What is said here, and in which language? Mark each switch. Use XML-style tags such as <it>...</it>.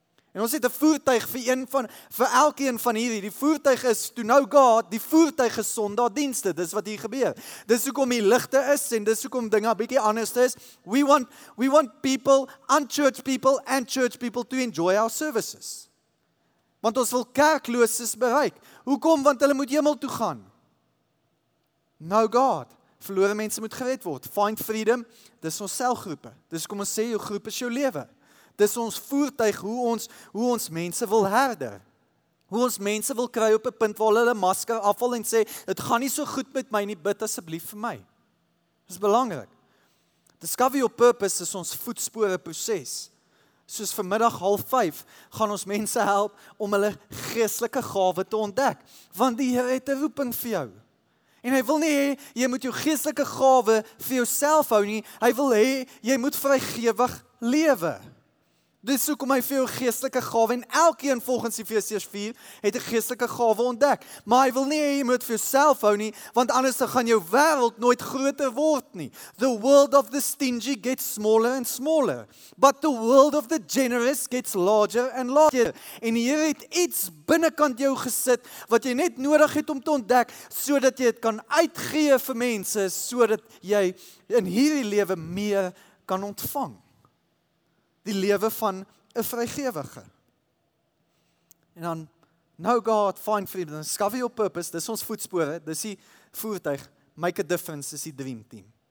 <af>En ons het 'n voertuig vir elkeen van hierdie. Die voertuig is</af> <en>to know God,</en> <af>die voertuig is sondagdienste. Dis wat hier gebeur. Dis hoekom hier ligte is en dis hoekom dinge 'n bietjie anders is.</af> <en>We want people, unchurched people and church people to enjoy our services.</en> <af>Want ons wil kerklooses bereik. Hoekom? Want hulle moet hemel toe gaan.</af> <en>Know God.</en> <af>Verlore mense moet gered word.</af> <en>Find freedom.</en> <af>Dis ons selgroepe. Dis hoekom ons sê jou groep is jou lewe. Dis ons voertuig hoe ons mense wil herder. Hoe ons mense wil kry op 'n punt waar hulle masker afval en sê, het gaan nie so goed met my nie, bid asseblief vir my. Dit is belangrik.</af> <en>Discover your purpose</en> <af>is ons voetspore proses. Soos vanmiddag 4:30 gaan ons mense help om hulle geestelike gawe te ontdek. Want die Heer het 'n roeping vir jou. En hy wil nie hê jy moet jou geestelike gawe vir jouself hou nie. Hy wil hê jy moet vrygewig lewe. Dis hoekom hy vir jou geestelike gawe en elkeen volgens Efesiërs 4 het 'n geestelike gawe ontdek. Maar hy wil nie hê jy moet vir jouself hou nie, want anders gaan jou wêreld nooit groter word nie.</af> <en>The world of the stingy gets smaller and smaller, but the world of the generous gets larger and larger.</en> <af>En die Heer het iets binnekant jou gesit wat jy net nodig het om te ontdek, sodat jy dit kan uitgee vir mense, sodat jy in hierdie lewe meer kan ontvang. Die lewe van 'n vrygewige. En dan,</af> <en>no God, find freedom, discover your purpose,</en> <af>dis ons voetspore, dis die voertuig,</af> <en>make a difference,</en> <af>is die dream team.</af>